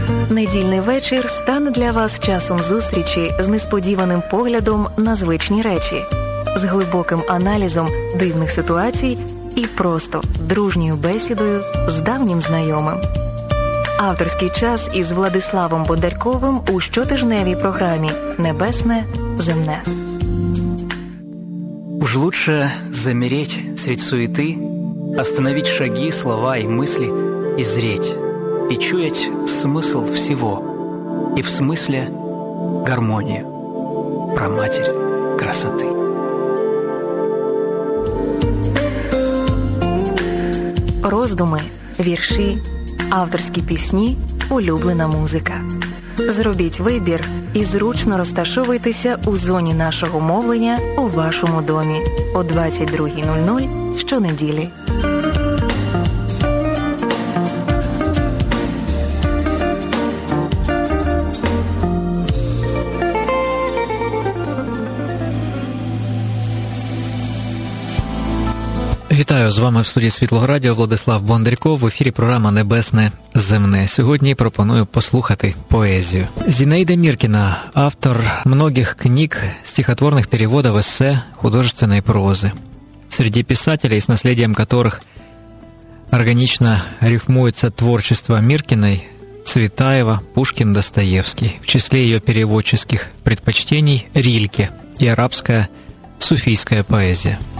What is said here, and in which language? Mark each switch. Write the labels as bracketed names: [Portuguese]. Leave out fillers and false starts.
[Ukrainian] Недільний вечір стане для вас часом зустрічі з несподіваним поглядом на звичні речі, з глибоким аналізом дивних ситуацій і просто дружньою бесідою з давнім знайомим. Авторський час із Владиславом Бондарковим у щотижневій програмі «Небесне, земне». [Russian] Уж лучше замереть средь суеты, остановить шаги, слова и мысли, и зреть, и чуять смысл всего, и в смысле гармонию, праматерь красоты. [Ukrainian] Роздуми, вірші, авторські пісні, улюблена музика. Зробіть вибір і зручно розташовуйтеся у зоні нашого мовлення у вашому домі о 22:00 щонеділі. Вітаю, з вами в студії Світлого Радіо Владислав Бондарько. В ефірі програма «Небесне, земне». Сьогодні пропоную послухати поезію. [Russian] Зінаїда Міркіна – автор многих книг, стихотворних переводов, эссе, художественной прозы. Среди писателей, с наследием которых органично рифмуется творчество Миркиной, Цветаева, Пушкин, Достоевский. В числе ее переводческих предпочтений – Рильке и арабская суфийская поэзия.